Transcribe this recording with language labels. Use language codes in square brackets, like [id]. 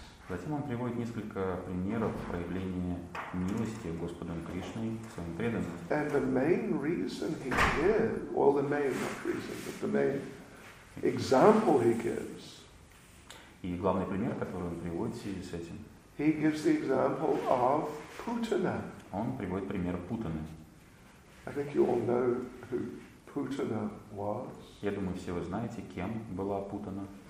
[ru] Затем он приводит несколько примеров проявления милости Господом Кришной к своим преданным. [en] And the main reason he gives, well, the main not reason, but the main example he gives. [ru] И главный пример, который он приводит в связи с этим. [en] He gives the example of Putana. [ru] Он приводит пример Путаны. [en] I think you all know who Putana was. [ru] Я думаю, все вы знаете, кем была Путана.